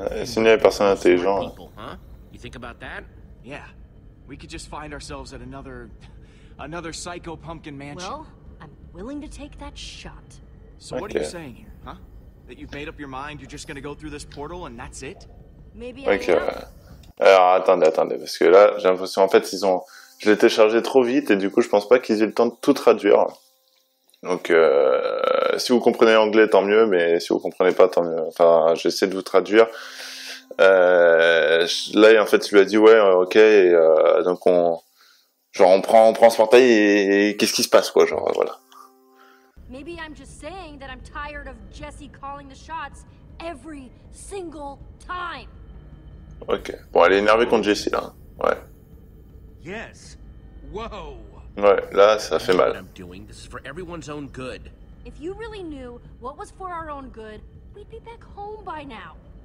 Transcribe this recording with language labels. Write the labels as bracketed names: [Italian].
[French] S'il n'y avait personne intelligent. [English] You think about that? Yeah. We could just find ourselves at another psycho pumpkin mansion. Well, I'm willing to take that shot. So what are you saying here, huh? That you've made up your mind, you're just gonna go through this portal and that's it? Maybe [French] Alors attendez, parce que là j'ai l'impression en fait ils ont, je l'ai téléchargé trop vite et du coup je pense pas qu'ils aient le temps de tout traduire. Donc si vous comprenez anglais tant mieux, mais si vous comprenez pas tant mieux. Enfin j'essaie de vous traduire. Là en fait tu lui as dit ouais ok et, donc on genre on prend ce portail et qu'est-ce qui se passe quoi genre voilà. [English] Maybe I'm just saying that I'm tired of Jesse calling the shots every single time. [French] Ok. Bon, elle est énervée contre Jesse, là. Ouais. [English] Yes. Whoa. [French] Ouais, là, ça fait mal. [English] If you really knew what was for our own good, we'd be back home by now.